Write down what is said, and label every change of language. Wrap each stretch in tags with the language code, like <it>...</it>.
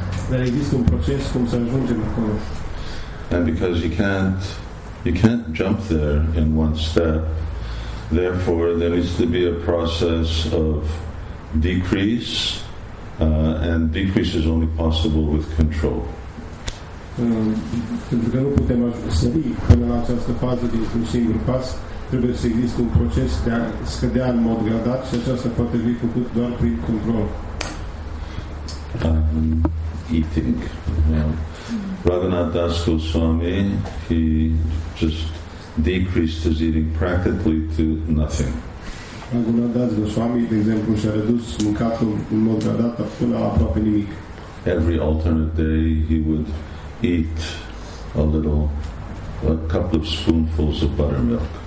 <ro>Dar există un proces cum să ajungem acolo.</ro> <en>And because you can't jump there in one step, therefore there needs to be a process of decrease, and decrease is only possible with control.</en> <ro>Pentru că nu putem sări până la această fază dintr-un singur pas, trebuie să existe un proces de a scădea în mod gradat și aceasta poate fi făcut doar prin control.</ro> <en>Eating. Raghunath Das Goswami, he just decreased his eating practically to nothing.</en> <ro>Raghunath Das Goswami, de exemplu, și-a redus mâncatul în mod gradat până la aproape nimic.</ro> <en>Every alternate day he would eat a couple of spoonfuls of buttermilk.</en>